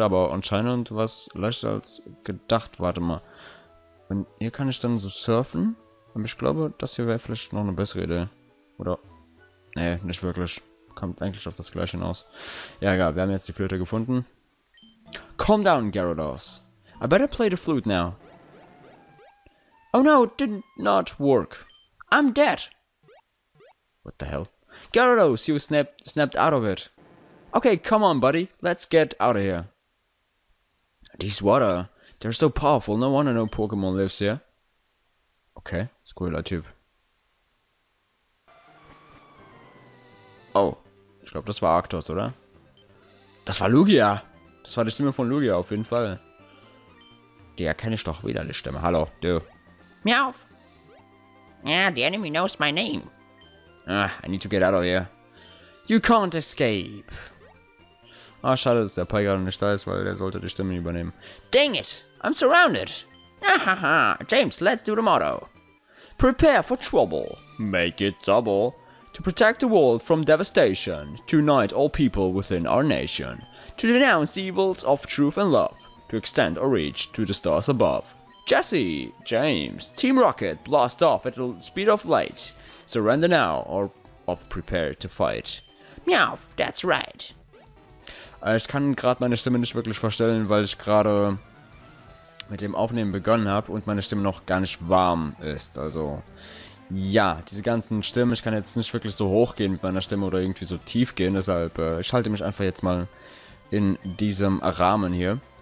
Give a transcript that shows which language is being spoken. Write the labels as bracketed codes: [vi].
[de] Aber anscheinend war es leichter als gedacht. Warte mal. Und hier kann ich dann so surfen. Aber ich glaube, das hier wäre vielleicht noch eine bessere Idee. Oder? Nee, nicht wirklich. Kommt eigentlich auf das Gleiche hinaus. Ja, egal. Wir haben jetzt die Flöte gefunden. [en] Calm down, Gyarados. I better play the flute now. Oh no, it did not work. I'm dead. What the hell? Gyarados, you snapped out of it. Okay, come on, buddy. Let's get out of here. This water... They're so powerful, no wonder no Pokémon lives here. [de] Okay, cooler Typ. Oh, ich glaube, das war Arctos, oder? Das war Lugia! Das war die Stimme von Lugia, auf jeden Fall. Die erkenne ich doch wieder, die Stimme. Hallo, du. [en] Meowth! Ah, the enemy knows my name. Ah, I need to get out of here. You can't escape. [de] Ah, schade, dass der Pike nicht da ist, weil der sollte die Stimme übernehmen. [en] Dang it! I'm surrounded. Ahaha. James, let's do the motto. Prepare for trouble. Make it double. To protect the world from devastation. To unite all people within our nation. To denounce the evils of truth and love. To extend our reach to the stars above. Jesse, James, Team Rocket, blast off at the speed of light. Surrender now or off prepare to fight. Meowth, that's right. [de] Ich kann gerade meine Stimme nicht wirklich verstellen, weil ich gerade... mit dem Aufnehmen begonnen habe und meine Stimme noch gar nicht warm ist, also ja, diese ganzen Stimmen, ich kann jetzt nicht wirklich so hoch gehen mit meiner Stimme oder irgendwie so tief gehen, deshalb ich halte mich einfach jetzt mal in diesem Rahmen hier.